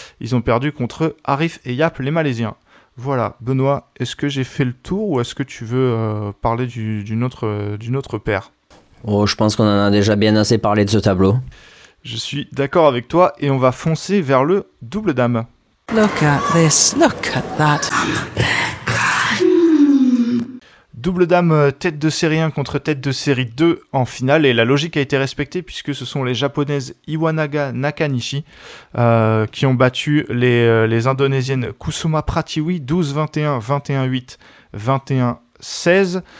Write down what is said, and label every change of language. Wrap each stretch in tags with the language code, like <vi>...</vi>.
<fr>Ils ont perdu contre Arif et Yap, les Malaisiens. Voilà, Benoît, est-ce que j'ai fait le tour ou est-ce que tu veux parler d'une autre paire? Oh, je pense qu'on en a déjà bien assez parlé de ce tableau. Je suis d'accord avec toi et on va foncer vers le double dame.</fr> <en>Look at this, look at that.</en> <fr>Double dame tête de série 1 contre tête de série 2 en finale, et la logique a été respectée puisque ce sont les japonaises Iwanaga Nakanishi qui ont battu les indonésiennes Kusuma Pratiwi 12-21, 21-8, 21-21. 16.</fr>